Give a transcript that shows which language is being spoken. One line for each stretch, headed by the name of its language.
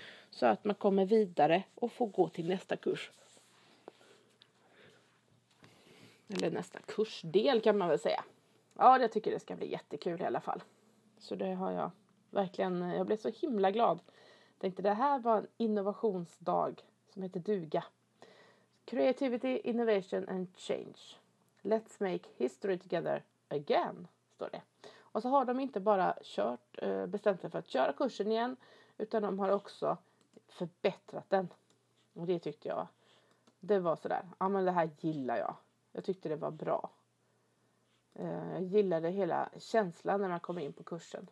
Swedish: Så att man kommer vidare och får gå till nästa kurs. Eller nästa kursdel kan man väl säga. Ja, jag tycker det ska bli jättekul i alla fall. Så det har jag verkligen. Jag blev så himla glad. Tänkte det här var en innovationsdag som heter Duga.
English: Creativity, innovation and change. Let's make history together again,
Swedish: står det. Och så har de inte bara bestämt sig för att köra kursen igen. Utan de har också förbättrat den. Och det tyckte jag. Det var sådär. Ja, men det här gillar jag. Jag tyckte det var bra. Jag gillade hela känslan när man kom in på kursen.